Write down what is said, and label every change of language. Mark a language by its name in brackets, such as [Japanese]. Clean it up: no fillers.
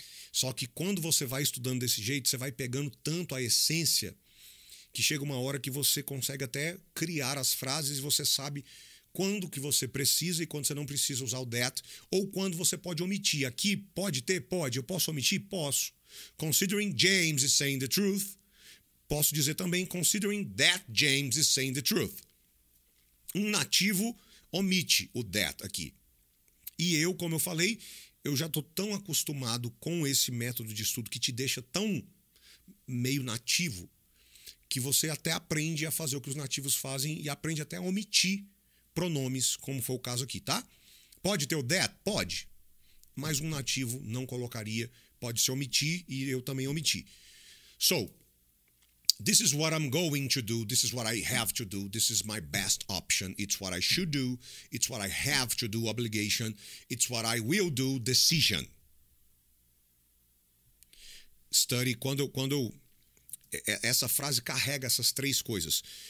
[Portuguese] Só que quando você vai estudando desse jeito, você vai pegando tanto a essência que chega uma hora que você consegue até criar as frases e você sabe quando que você precisa e quando você não precisa usar o that ou quando você pode omitir. Aqui pode ter? Pode. Eu posso omitir? Posso. [English] Considering James is saying the truth, [Portuguese] posso dizer também [English] considering that James is saying the truth. [Portuguese] Um nativo omite o that aqui. E eu, como eu falei, eu já estou tão acostumado com esse método de estudo que te deixa tão meio nativo que você até aprende a fazer o que os nativos fazem e aprende até a omitir pronomes, como foi o caso aqui, tá? Pode ter o that? Pode. Mas um nativo não colocaria, pode se omitir e eu também omiti. [English] So, this is what I'm going to do, this is what I have to do, this is my best option, it's what I should do, it's what I have to do, obligation, it's what I will do, decision. [Portuguese] Study, quando eu, essa frase carrega essas três coisas.